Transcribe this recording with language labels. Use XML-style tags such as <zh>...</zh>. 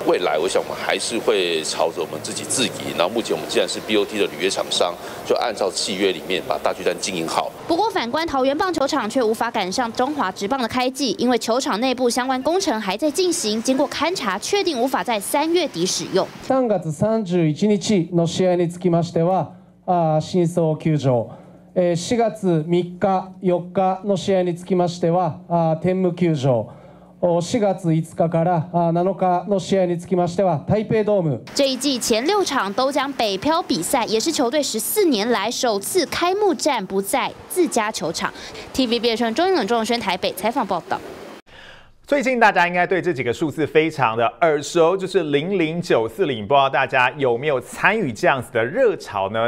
<zh>未来我想我们还是会朝着我们自己自营，然后目前我们既然是 BOT 的履约厂商，就按照契约里面把大巨蛋经营好。不过反观桃园棒球场却无法赶上中华职棒的开季，因为球场内部相关工程还在进行，经过勘查确定无法在3月底使用。</zh> <ja>3月31日の試合につきましては、新総球場。 4月3日、4日の試合につきましては、天武球場。 4月5日から7日の試合につきましては、台北ドーム。</ja> <zh>这一季前六场都将北漂比赛，也是球队14年来首次开幕战不在自家球场。 TVBS 中英伦仲宣台北采访报道。最近大家应该对这几个数字非常的耳熟，就是00940，不知道大家有没有参与这样子的热潮呢？</zh>